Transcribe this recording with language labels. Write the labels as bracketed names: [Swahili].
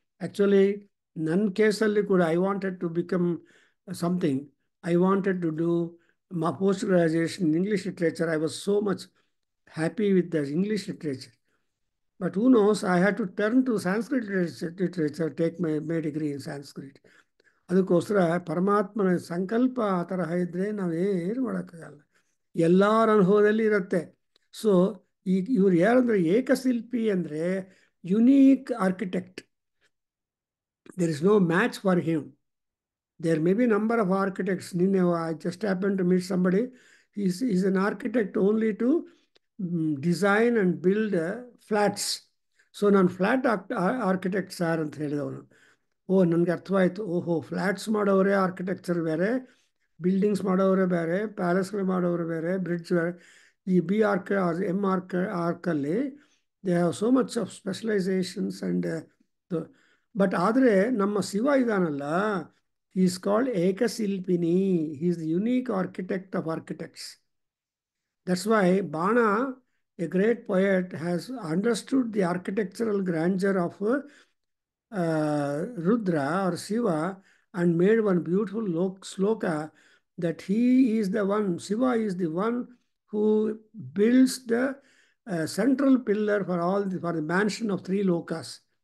[English] Actually, [Kannada] nan kesalli kuda, [English] I wanted to become something. I wanted to do my post-graduation in English literature. I was so much happy with the English literature. But who knows, I had to turn to Sanskrit literature, take my degree in Sanskrit. [Kannada] ಅದಕ್ಕೋಸ್ಕರ ಪರಮಾತ್ಮನ ಸಂಕಲ್ಪ ಆ ತರಹ ಇದ್ರೆ ನಾವೇನು ಮಾಡೋಕ್ಕಾಗಲ್ಲ, ಎಲ್ಲರ ಅನುಭವದಲ್ಲಿ ಇರುತ್ತೆ. ಸೊ ಈಗ ಇವ್ರು ಯಾರಂದ್ರೆ ಏಕಶಿಲ್ಪಿ ಅಂದರೆ unique architect, [English] There is no match for him. There may be number of architects. ನಿನ್ನೆ I just happen to meet somebody, is an architect only to design and build flats. [Kannada] So ನಾನು flat architect sir ಅಂತ ಹೇಳಿದವನು. ಓ ನನಗೆ ಅರ್ಥವಾಯಿತು, ಓಹೋ flats ಮಾಡೋವರೇ architecture ಬೇರೆ, buildings ಮಾಡೋವರೇ ಬೇರೆ, ಪ್ಯಾಲೇಸ್ಗಳು ಮಾಡೋವ್ರೆ ಬೇರೆ, bridge ಬೇರೆ. [English] ಈ B arch M arch ಆರ್ಕಲ್ಲಿ they have so much of specialisations and but [Kannada] ಆದರೆ ನಮ್ಮ Shiva ಇದಾನಲ್ಲ, [English] He is called ಏಕಶಿಲ್ಪಿನಿ, he is the unique architect of architects. That's why Bana a great poet has understood the architectural grandeur of Rudra or Shiva and made one beautiful sloka that he is the one, Shiva is the one who builds the central pillar for all the, for the mansion of three lokas.